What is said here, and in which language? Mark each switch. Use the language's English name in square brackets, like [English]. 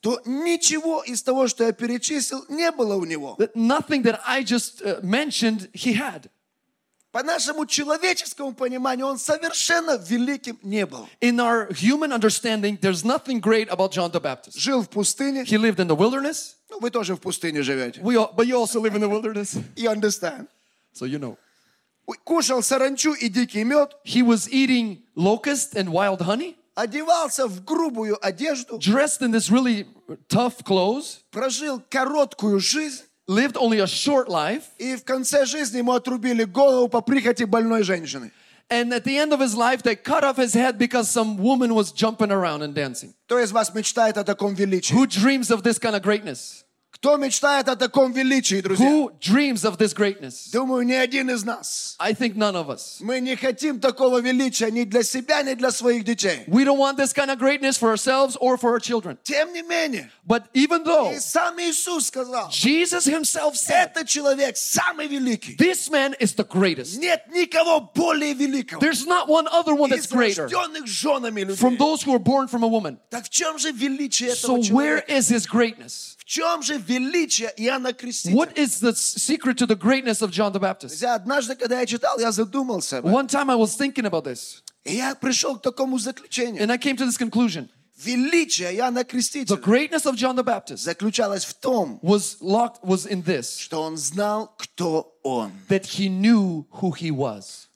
[Russian] то ничего из того, что я перечислил, не было у него. [English] That nothing that I just mentioned, he had. [Russian] По нашему человеческому пониманию, он совершенно великим не был. [English] In our human understanding, there's nothing great about John the Baptist. [Russian] Жил в пустыне. [English] He lived in the wilderness. [Russian] Ну, вы тоже в пустыне живете. [English] But you also live in the wilderness. You understand. So you know. [Russian] Кушал саранчу и дикий мед. [English] He was eating locust and wild honey. [Russian] Одевался в грубую одежду. [English] Dressed in this really tough clothes. [Russian] Прожил короткую жизнь. [English] Lived only a short life. [Russian] И в конце жизни ему отрубили голову по прихоти больной женщины. [English] And at the end of his life, they cut off his head because some woman was jumping around and dancing. [Russian] Кто из вас мечтает о таком величии? [English] Who dreams of this kind of greatness? [Russian] Кто мечтает о таком величии, друзья? [English] Who dreams of this greatness? [Russian] Думаю, ни один из нас. [English] I think none of us. [Russian] Мы не хотим такого величия ни для себя, ни для своих детей. [English] We don't want this kind of greatness for ourselves or for our children. [Russian] Тем не менее. [English] But even though. [Russian] И сам Иисус сказал. [English] Jesus himself said. [Russian] Этот человек самый великий. [English] This man is the greatest. [Russian] Нет никого более великого. [English] There's not one other one that's greater. [Russian] Из рожденных женами людей. [English] From those who were born from a woman. [Russian] Так в чем же величие этого человека? [English] So where is his greatness? [Russian] В чем же величие Иоанна Крестителя? [English] What is the secret to the greatness of John the Baptist? [Russian] Однажды, когда я читал, я задумался. [English] One time I was thinking about this. [Russian] И я пришел к такому заключению. [English] And I came to this conclusion. [Russian] Величие Иоанна Крестителя. [English] The greatness of John the Baptist. [Russian] Заключалось в том. [English] Was in this. [Russian] Что он знал, кто он. [English] That he knew who he was.